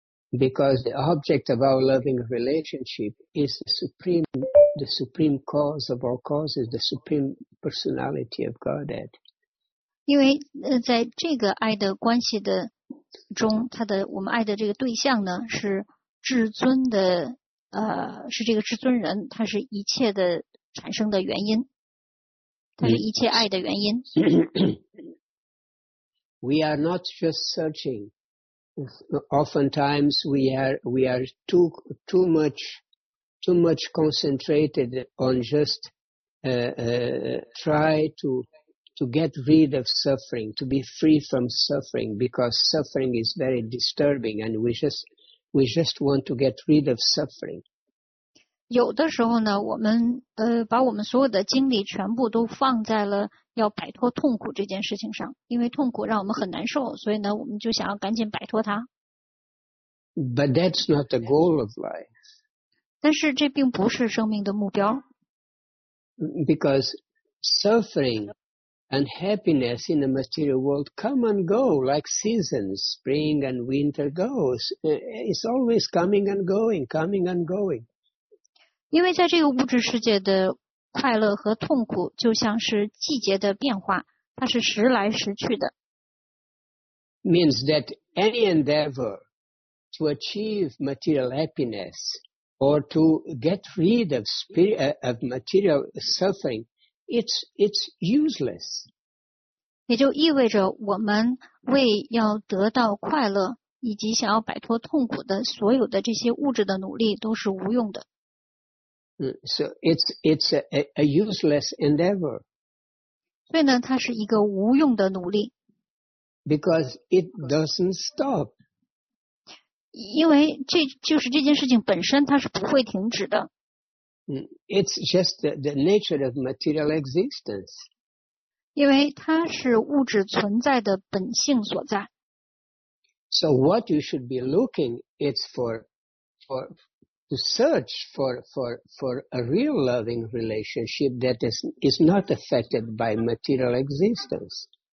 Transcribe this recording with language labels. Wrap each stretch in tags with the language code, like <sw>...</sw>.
<en>Because the object of our loving relationship is the supreme cause of all causes, the supreme personality of Godhead.</en> <zh>因为在这个爱的关系的中，他的我们爱的这个对象呢是至尊的是这个至尊人，他是一切的产生的原因，他是一切爱的原因。</zh> <en>We are not just searching. Oftentimes we are too much concentrated on just try to get rid of suffering, to be free from suffering, because suffering is very disturbing, and we just want to get rid of suffering.</en> <zh>有的时候呢，我们把我们所有的精力全部都放在了要摆脱痛苦这件事情上，因为痛苦让我们很难受，所以呢，我们就想要赶紧摆脱它。</zh> <en>But that's not the goal of life.</en> <zh>但是这并不是生命的目标。</zh> <en>Because suffering and happiness in the material world come and go like seasons, spring and winter goes. It's always coming and going, coming and going.</en> <zh>因为在这个物质世界的快乐和痛苦就像是季节的变化，它是时来时去的。</zh> <en>Means that any endeavor to achieve material happiness or to get rid of material suffering, it's useless.</en> <zh>也就意味着我们为要得到快乐以及想要摆脱痛苦的所有的这些物质的努力都是无用的。</zh> <en>So it's a useless endeavor.</en> <zh>所以呢，它是一个无用的努力。</zh> <en>Because it doesn't stop.</en> <zh>因为这就是这件事情本身它是不会停止的。</zh> <en>It's just the nature of material existence.</en> <zh>因为它是物质存在的本性所在。</zh> <en>So what you should be looking is for to search for a real loving relationship that is not affected by material existence.</en>